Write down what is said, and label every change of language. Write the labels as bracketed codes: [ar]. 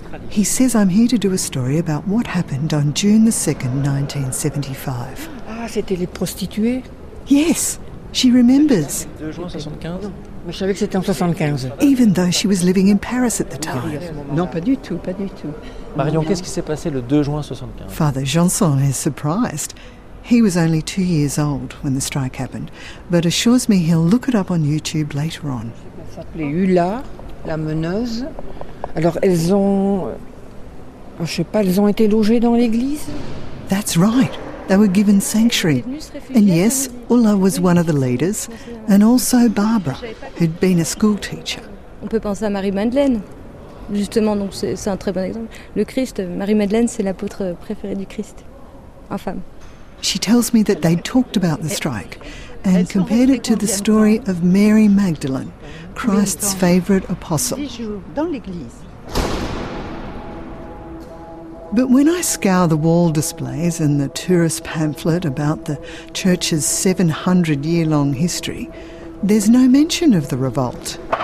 [en] He says I'm here to do a story about what happened on June the 2nd, 1975. [fr] Ah, c'était les prostituées? [en] Yes, she remembers. [fr] Mais je savais que c'était en 75. [en] Even though she was living in Paris at the time. [fr] Non, pas du tout, pas du tout. Marion, qu'est-ce qui s'est passé le 2 juin 75? [en] Father Janson is surprised. He was only 2 years old when the strike happened, but assures me he'll look it up on YouTube later on. [fr] Ça s'appelait Hula, la meneuse. Alors elles ont, je sais pas, elles ont été logées dans l'église? [en] That's right. They were given sanctuary. And yes, Ulla was one of the leaders, and also Barbara, who'd been a school teacher. [fr] On peut penser à Marie-Madeleine. Justement, donc c'est un très bon exemple. Le Christ, Marie-Madeleine, c'est l'apôtre préféré du Christ, en femme. [en] She tells me that they talked about the strike and compared it to the story of Mary Magdalene, Christ's favourite apostle. But when I scour the wall displays and the tourist pamphlet about the church's 700-year-long history, there's no mention of the revolt.